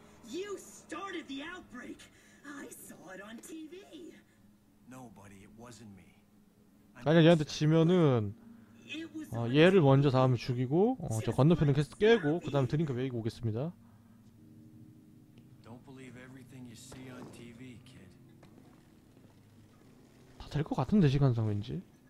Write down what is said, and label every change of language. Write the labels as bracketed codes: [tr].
[en] You started the outbreak. I saw it on TV. Nobody, it wasn't me. [ko] 만약 얘한테 지면은 얘를 먼저 다음에 죽이고 저 건너편은 계속 깨고 그 다음에 드링크 메이고 오겠습니다. [en] Don't believe everything you see on TV, kid. [ko] 다 될 것 같은데 시간상 왠지.